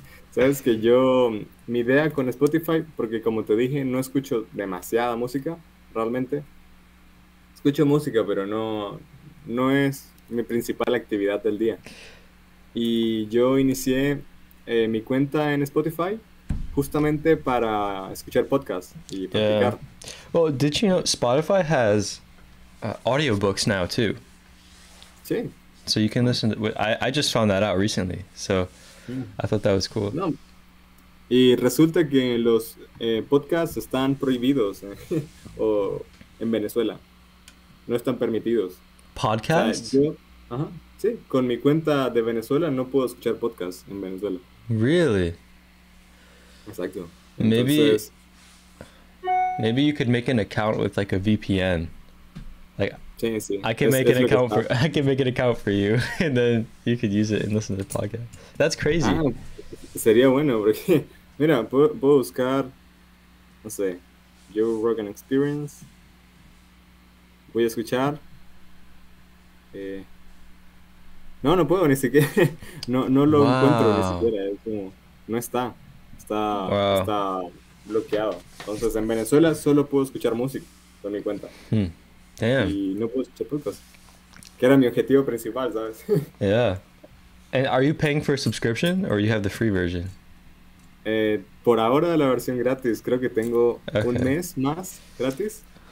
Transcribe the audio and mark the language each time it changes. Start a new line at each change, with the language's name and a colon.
Spanish: Sabes que yo mi idea con Spotify, porque como te dije, no escucho demasiada música realmente. Escucho música, pero no es mi principal actividad del día. Y yo inicié mi cuenta en Spotify justamente para escuchar podcasts y practicar.
English: Well, did you know Spotify has audiobooks now too?
Spanish: Sí.
English: So you can listen to... I just found that out recently, so I thought that was cool.
Spanish: No. Y resulta que los podcasts están prohibidos o en Venezuela. No están permitidos. ¿Podcasts? Sí, con mi cuenta de Venezuela no puedo escuchar podcasts en Venezuela.
English: Really?
Spanish: Exacto. Entonces,
English: maybe you could make an account with like a VPN. Like,
Spanish: sí.
English: I can make an account for you and then you could use it and listen to the podcast. That's crazy.
Spanish: Sería bueno porque, mira, puedo buscar, no sé, Joe Rogan Experience. Voy a escuchar. No puedo ni siquiera. No lo encuentro ni siquiera. Es como, no está. Está bloqueado. Entonces, en Venezuela solo puedo escuchar música con mi cuenta.
English: Damn.
Spanish: Y no puedo escuchar podcast. Que era mi objetivo principal, ¿sabes?
English: Yeah. And are you paying for a subscription or you have the free version?
Spanish: Por ahora la versión gratis. Creo que tengo un mes más gratis.